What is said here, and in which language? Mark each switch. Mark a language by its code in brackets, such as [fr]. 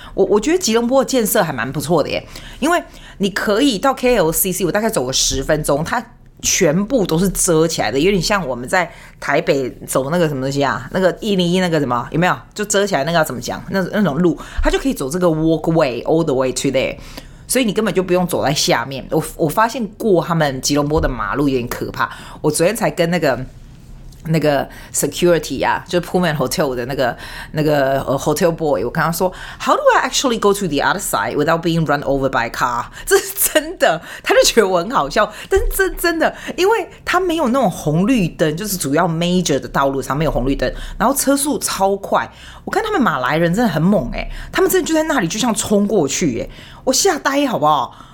[zh] 我觉得吉隆坡的建设还蛮不错的耶，因为你可以到 KLCC， 我大概走个10分钟，它全部都是遮起来的，有点像我们在台北走那个什么东西啊，那个101那个什么，有没有就遮起来那个要怎么讲，那种路它就可以走这个 [en] walkway all the way to there， [zh] 所以你根本就不用走在下面。我发现过他们吉隆坡的马路有点可怕，我昨天才跟那个 security 啊，就是 Pullman Hotel 的那个 hotel boy， 我跟他说 [en] How do I actually go to the other side without being run over by a car？ [zh] 这是真的，他就觉得我很好笑，但是真的，因为他没有那种红绿灯，就是主要 major 的道路上没有红绿灯，然后车速超快。我看他们马来人真的很猛，他们真的就在那里就像冲过去，我吓呆好不好？